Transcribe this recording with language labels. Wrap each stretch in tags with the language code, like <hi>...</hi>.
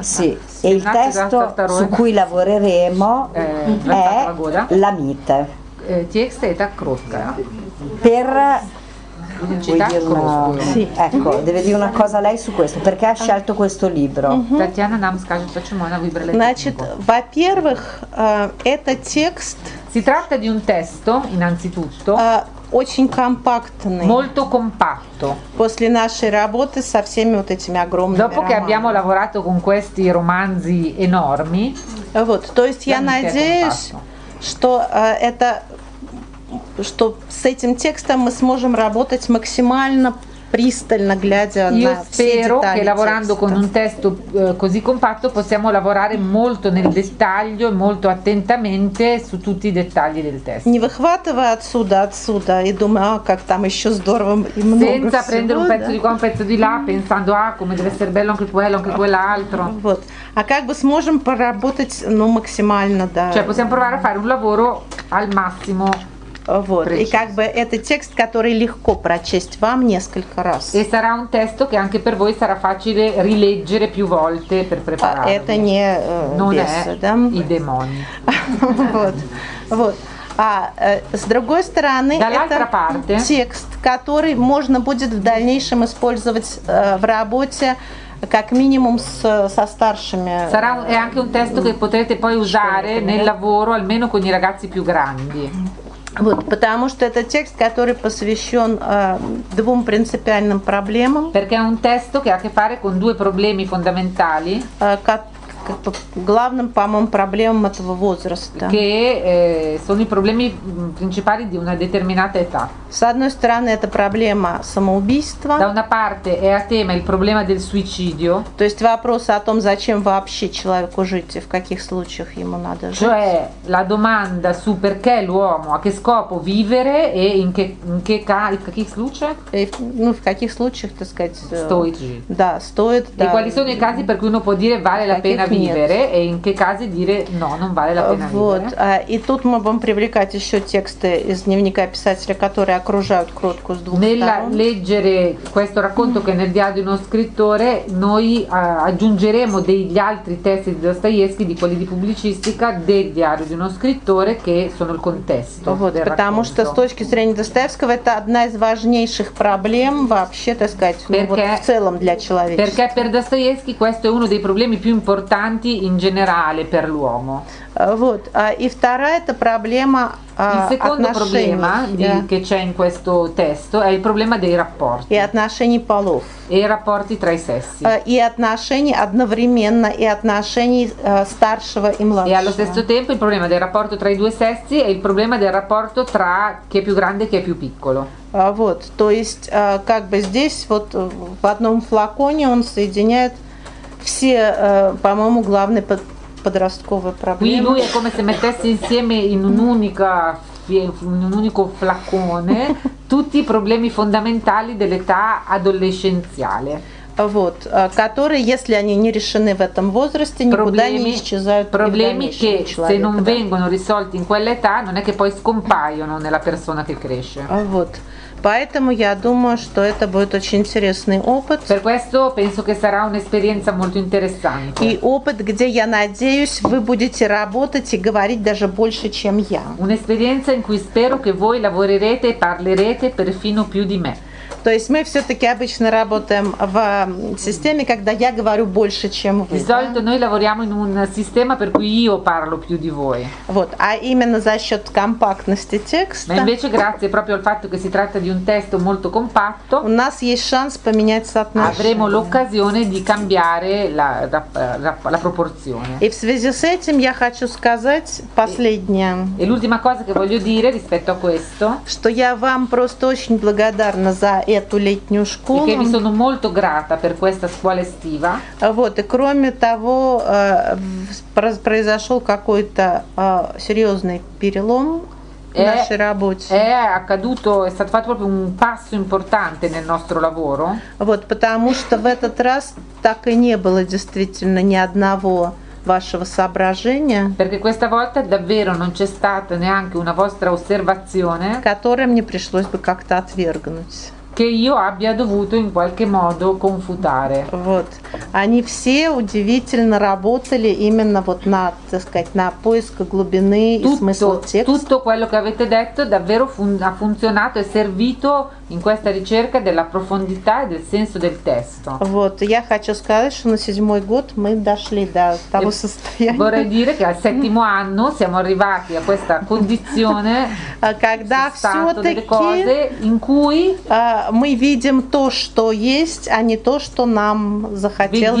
<it>Sì, e il testo su cui lavoreremo è la MIT. Text è da Krotka. Per sì, ecco, deve dire una cosa lei su questo, perché ha scelto questo libro.</it> <ru>Татьяна нам скажет, почему она выбрала этот. Значит, во-первых, это текст.</ru> <it>Si tratta di un testo, innanzitutto.</it> <ru>Очень компактный.</ru> <it>Molto compatto.</it> <ru>После нашей работы со всеми вот этими огромными.</ru> <it>Dopo che abbiamo lavorato con questi romanzi enormi.</it> <ru>Вот, то есть я надеюсь, что это что с этим текстом мы сможем работать максимально пристально, глядя на все детали.</ru> <it>Io spero che lavorando con un testo così compatto possiamo lavorare molto nel dettaglio e molto attentamente su tutti i dettagli del testo.</it> <ru>Не выхватывая отсюда и думаю, как там еще здорово и много.</ru> <it>Senza prendere un pezzo di qua, un pezzo di là, pensando ah, come deve essere bello anche quell'altro.</it> <ru>Вот. А как бы сможем поработать, ну, максимально, да.</ru> <it>Cioè possiamo provare a fare un lavoro al massimo.</it> <ru>Вот. И как бы это текст, который легко прочесть вам несколько раз.</ru> <it>E sarà un testo che anche per voi sarà facile rileggere più volte per prepararvi.</it> <ru>Это не</ru> <it>i demoni.</it> <ru>Вот. Вот. А с другой стороны,</ru> <it>dall'altra parte,</it> <ru>это текст, который можно будет в дальнейшем использовать в работе. Как минимум со старшими.</ru> <it>Sarà è anche un testo che potrete poi usare nel lavoro almeno con i ragazzi più grandi.</it> <ru>Вот, потому что это текст, который посвящен двум принципиальным проблемам.</ru> <it>Perché è un testo che ha a che fare con due problemi fondamentali.</it> <ru>Главным, по-моему, проблемам этого возраста.</ru> <it>Che sono i problemi principali di una determinata età.</it> <ru>С одной стороны, это проблема самоубийства.</ru> <it>Da una parte è a tema il problema del suicidio.</it> <ru>То есть вопрос о том, зачем вообще человеку жить и в каких случаях ему надо жить.</ru> <it>Cioè la domanda su perché l'uomo, a che scopo vivere e in</it> <ru>каких случаях? Ну, в каких случаях, так сказать, стоит жить. Да, стоит. И</ru> <it>quali sono i casi per cui uno può dire vale la pena vivere e in che casi dire no, non vale la pena vivere.</it> <ru>И тут мы будем привлекать еще тексты из дневника писателя, которые окружают Кротку с двух сторон.</ru> <it>Nel leggere questo racconto che nel diario di uno scrittore, noi aggiungeremo degli altri testi di Dostoevskij, di quelli di pubblicistica, del diario di uno scrittore, che sono il contesto.</it> <ru>Потому что с точки зрения Достоевского это одна из важнейших проблем вообще, так сказать, в целом для человечества.</ru> <it>Perché per Dostoevskij questo è uno dei problemi più importanti importanti in generale per l'uomo.</it> <ru>Вот. И вторая это проблема</ru> <it>Il secondo</it> <ru>отношений. Проблема,</ru> <it>che c'è in questo testo, è il problema dei rapporti.</it> <ru>И отношений полов. И</ru> <it>rapporti tra i sessi.</it> <ru>И отношений одновременно и отношений старшего и младшего.</ru> <it>E allo stesso tempo il problema del rapporto tra i due sessi e il problema del rapporto tra chi è più grande e chi è più piccolo.</it> <ru>Вот, то есть как бы здесь вот в одном флаконе он соединяет все, по-моему, главные подростковые проблемы.</ru> <it>Quindi lui è come se mettesse insieme in un'unica in un unico flacone tutti i problemi fondamentali dell'età adolescenziale.</it> <ru>Вот, которые, если они не решены в этом возрасте, никуда не исчезают.</ru> <it>Problemi che se non vengono risolti in quell'età non è che poi scompaiono nella persona che cresce.</it> <ru>Вот. Поэтому я думаю, что это будет очень интересный опыт.</ru> <it>Per questo penso che sarà un'esperienza molto interessante.</it> <ru>И опыт, где я надеюсь, вы будете работать и говорить даже больше, чем я.</ru> <it>Un'esperienza in cui spero che voi lavorerete e parlerete perfino più di me.</it> <ru>То есть мы все-таки обычно работаем в системе, когда я говорю больше, чем вы.</ru> <it>Di solito noi lavoriamo in una sistema per cui io parlo più di voi.</it> <ru>Вот, а именно за счет компактности текста.</ru> <it>Ma invece grazie proprio al fatto che si tratta di un testo molto compatto.</it> <ru>У нас есть шанс поменять соотношение.</ru> <it>Avremo l'occasione di cambiare la proporzione.</it> <ru>И в связи с этим я хочу сказать последнее.</ru> <it>E l'ultima cosa che voglio dire rispetto a questo.</it> <ru>Что я вам просто очень благодарна за эту летнюю школу. И</ru> <it>che vi sono molto grata per questa scuola estiva.</it> <ru>Вот, и кроме того, произошел какой-то серьезный перелом в нашей работе.</ru> <it>È accaduto, è stato fatto proprio un passo importante nel nostro lavoro.</it> <ru>Вот, потому что в этот раз так и не было действительно ни одного вашего соображения. Perché questa volta davvero non c'è stata neanche una vostra osservazione. Которое мне пришлось бы как-то отвергнуть. Che io abbia dovuto in qualche modo confutare. Вот. Они все удивительно работали именно вот на, так сказать, на поиск глубины</ru> <it>tutto,</it> <ru>и смысла текста.</ru> <it>Tutto quello che avete detto davvero ha funzionato e servito in questa ricerca della profondità e del senso del testo.</it> <ru>Вот. Я хочу сказать, что на седьмой год мы дошли до того состояния.</ru> <it>Vorrei dire che al settimo anno siamo arrivati a questa condizione,</it> <ru>когда все</ru> <it>delle cose in cui</it> <ru>мы видим то, что есть, а не то, что нам захотелось,</ru>